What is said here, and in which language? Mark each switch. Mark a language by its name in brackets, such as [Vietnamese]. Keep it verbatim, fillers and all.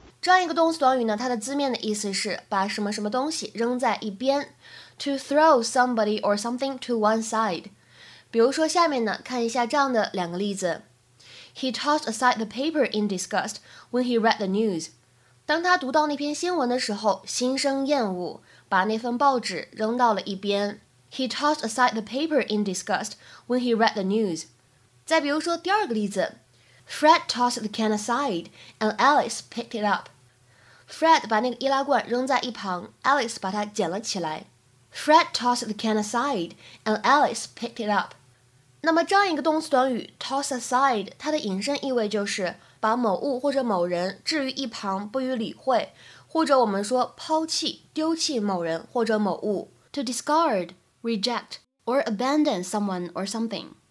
[Chinese] 这样一个动词短语呢，它的字面的意思是把什么什么东西扔在一边。 [English] To throw somebody or something to one side. [Chinese] 比如说下面呢，看一下这样的两个例子。 [English] He tossed aside the paper in disgust when he read the news. [Chinese] 当他读到那篇新闻的时候，心生厌恶，把那份报纸扔到了一边。 [English] He tossed aside the paper in disgust when he read the news. [Chinese] 再比如说第二个例子。 [English] Fred tossed the can aside and Alice picked it up. [Chinese] Fred 把那个易拉罐扔在一旁 ，Alice 把它捡了起来。 [English] Fred tossed the can aside, and Alice picked it up. [Chinese] 那么这样一个动词短语 toss aside， 它的引申意味就是把某物或者某人置于一旁不予理会，或者我们说抛弃、丢弃某人或者某物。 [English] To discard, reject, or abandon someone or something.